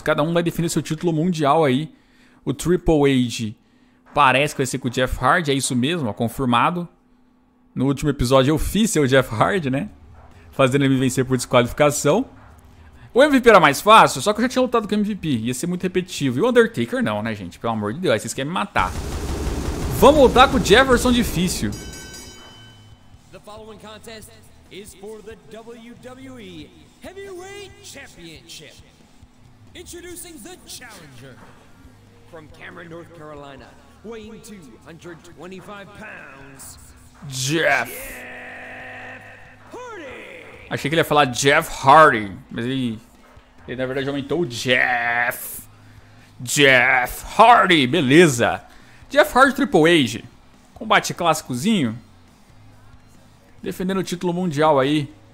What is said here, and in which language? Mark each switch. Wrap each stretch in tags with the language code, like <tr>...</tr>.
<pt>Cada um vai defender seu título mundial aí. O Triple H parece que vai ser com o Jeff Hardy, é isso mesmo, ó, confirmado. No último episódio eu fiz ser o Jeff Hardy, né? Fazendo ele me vencer por desqualificação. O MVP era mais fácil, só que eu já tinha lutado com o MVP. Ia ser muito repetitivo. E o Undertaker não, né, gente? Pelo amor de Deus, aí vocês querem me matar. Vamos lutar com o Jefferson difícil.</pt> <en>The following contest is for the WWE Heavyweight Championship. Introducing the challenger. From Cameron, North Carolina, weighing 225 pounds. Jeff Hardy.</en> <pt>Achei que ele ia falar Jeff Hardy, mas ele na verdade aumentou o Jeff. Jeff Hardy, beleza. Jeff Hardy Triple H. Combate clássicozinho. Defendendo o título mundial aí.</pt>